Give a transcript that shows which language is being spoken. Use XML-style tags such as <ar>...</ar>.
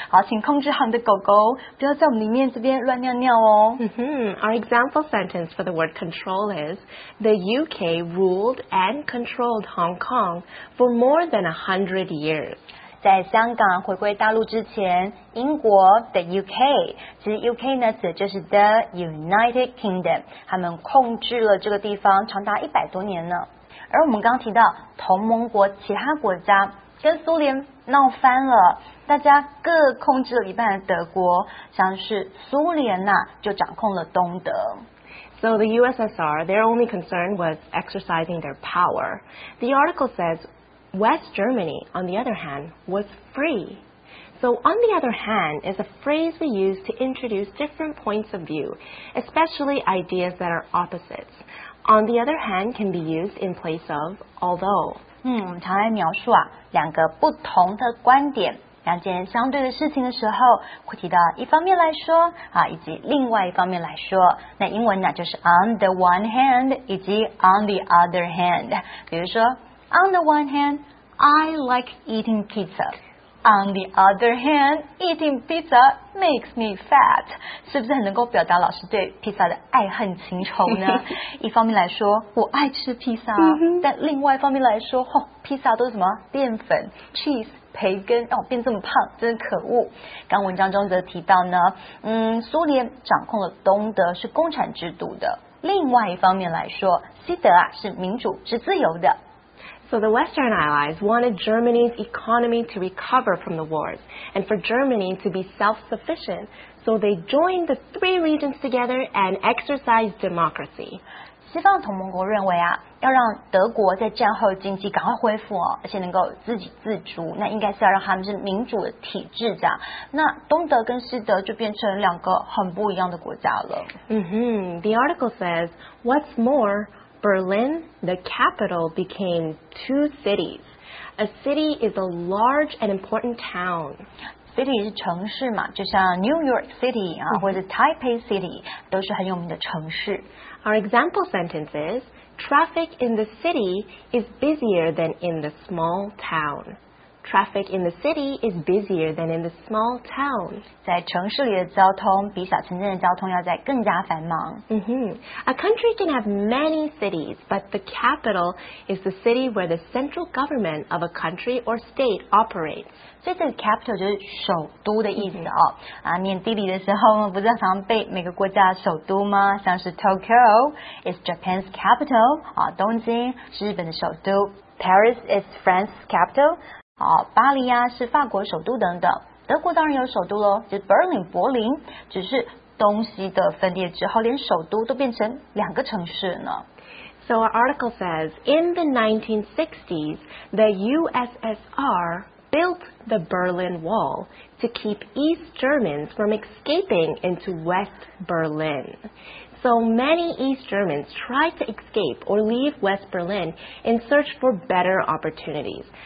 <zh>好，请控制好你的狗狗，不要在我们里面这边乱尿尿哦。</zh> <en>Our example sentence for the word control is, the UK ruled and controlled Hong Kong for more than 100 years.</en> <zh>在香港回归大陆之前，英国 the UK， 其实 UK 呢指的就是 the United Kingdom， 他们控制了这个地方长达100多年呢。而我们刚提到同盟国其他国家跟苏联闹翻了，大家各控制了一半的德国，像是苏联呐、啊、就掌控了东德。</zh> <en>So the USSR, their only concern was exercising their power. The article says West Germany, on the other hand, was free. So, on the other hand, is a phrase we use to introduce different points of view, especially ideas that are opposites. On the other hand can be used in place of although.</en> <zh>我们常来描述啊，两个不同的观点，两件相对的事情的时候，会提到一方面来说啊，以及另外一方面来说。那英文呢，就是</zh> <en>on the one hand</en> <zh>以及</zh> <en>on the other hand。</en> <zh>比如说</zh> <en>on the one hand, I like eating pizza. On the other hand, eating pizza makes me fat.</en> <zh>是不是很能够表达老师对披萨的爱恨情仇呢？一方面来说，我爱吃披萨，但另外一方面来说，哦，披萨都是什么？淀粉、cheese。培根让我变这么胖，真是可恶。刚文章中则提到呢，苏联掌控了东德是共产制度的，另外一方面来说，西德啊是民主是自由的。</zh> <en>So the Western Allies wanted Germany's economy to recover from the wars and for Germany to be self-sufficient, so they joined the three regions together and exercised democracy.</en> <zh>西方同盟国认为啊，要让德国在战后经济赶快恢复哦，而且能够自给自足，那应该是要让他们是民主的体制的。那东德跟西德就变成两个很不一样的国家了。</zh> <en>The article says, what's more, Berlin, the capital, became two cities. A city is a large and important town.</en> <zh>City 是城市嘛，就像 New York City 啊，或者 Taipei City 都是很有名的城市。</zh> <en>Our example sentence is, traffic in the city is busier than in the small town. Traffic in the city is busier than in the small town.</en> <zh>在城市里的交通比小城镇的交通要再更加繁忙。</zh> <en>A country can have many cities, but the capital is the city where the central government of a country or state operates.</en> <zh>所以这个 capital 就是首都的意思哦。念地理的时候不是常背每个国家的首都吗？像是</zh> <en>Tokyo is Japan's capital，</en> <zh>东京是日本的首都 ，</zh> <en>Paris is France's capital，</en> <zh>巴黎啊是法国首都等等。德国当然有首都喽，就是 Berlin 柏林，只是东西的分裂之后，连首都都变成两个城市呢。</zh> <en>So our article says in the 1960s, the USSR. Built the Berlin Wall to keep East Germans from escaping into West Berlin. So many East Germans tried to escape or leave West Berlin in search for better opportunities.</en>